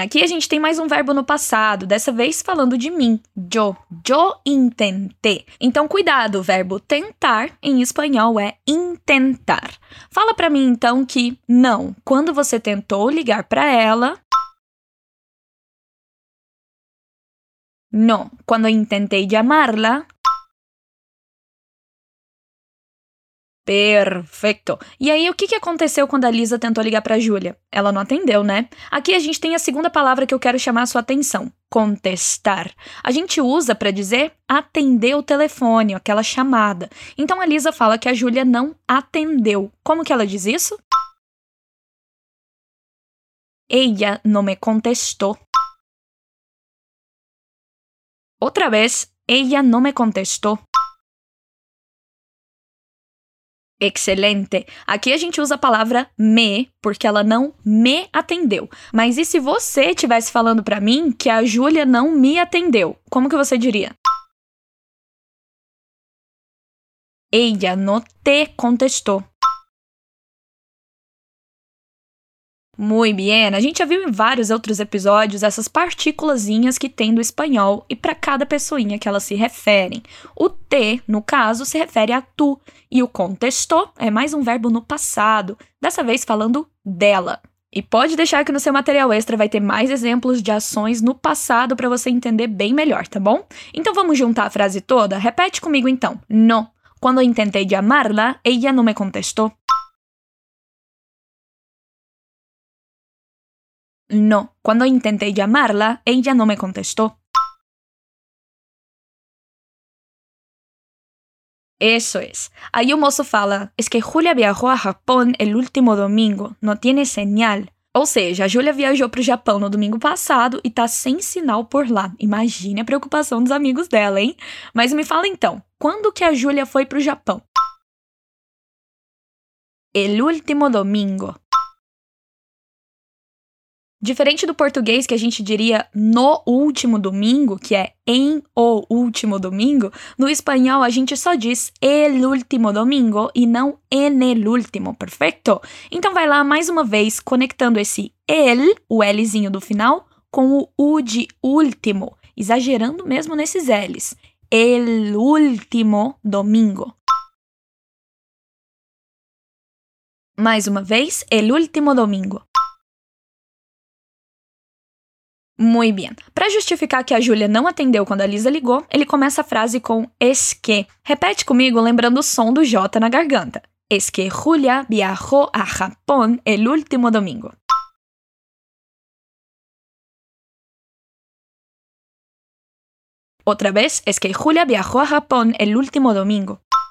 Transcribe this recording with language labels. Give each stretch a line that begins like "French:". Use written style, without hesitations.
Portuguese: Aqui a gente tem mais um verbo no passado, dessa vez falando de mim. Yo.
Spanish: Yo intenté.
Portuguese: Então, cuidado. O verbo tentar, em espanhol, é intentar. Fala pra mim, então, que não. Quando você tentou ligar pra ela...
Spanish: No, cuando intenté llamarla. Perfecto.
Portuguese: E aí, o que aconteceu quando a Lisa tentou ligar para a Júlia? Ela não atendeu, né? Aqui a gente tem a segunda palavra que eu quero chamar a sua atenção. Contestar. A gente usa para dizer atender o telefone, aquela chamada. Então, a Lisa fala que a Júlia não atendeu. Como que ela diz isso?
Spanish: ella no me contestó. Otra vez, ella no me contestó. Excelente!
Portuguese: Aqui a gente usa a palavra me, porque ela não me atendeu. Mas e se você estivesse falando para mim que a Júlia não me atendeu? Como que você diria?
Spanish: Ella no te contestó. Muy bien!
Portuguese: A gente já viu em vários outros episódios essas partículazinhas que tem do espanhol e para cada pessoinha que elas se referem. O te, no caso, se refere a tu. E o contestó é mais um verbo no passado, dessa vez falando dela. E pode deixar que no seu material extra vai ter mais exemplos de ações no passado para você entender bem melhor, tá bom? Então vamos juntar a frase toda? Repete comigo então. No.
Spanish: Cuando intenté llamarla, ella no me contestó. No, cuando intenté llamarla, ella no me contestó. Eso es. Ahí un mozo fala, es que Julia viajó a Japón el último domingo, no tiene señal.
Portuguese: Ou seja, a Júlia viajou para o Japão no domingo passado e está sem sinal por lá. Imagine a preocupação dos amigos dela, hein? Mas me fala então, quando que a Júlia foi para o Japão?
Spanish: El último domingo.
Portuguese: Diferente do português que a gente diria no último domingo, que é em o último domingo, no espanhol a gente só diz el último domingo e não en el último, perfeito? Então vai lá mais uma vez conectando esse el, o Lzinho do final, com o U de último, exagerando mesmo nesses Ls.
Spanish: El último domingo.
Portuguese: Mais uma vez,
Spanish: el último domingo. Muy bien.
Portuguese: Para justificar que a Júlia não atendeu quando a Lisa ligou, ele começa a frase com es que. Repete comigo, lembrando o som do J na garganta.
Spanish: Es que Julia viajó a Japón el último domingo.
Portuguese: Outra vez,
Spanish: es que Julia viajó a Japón el último domingo.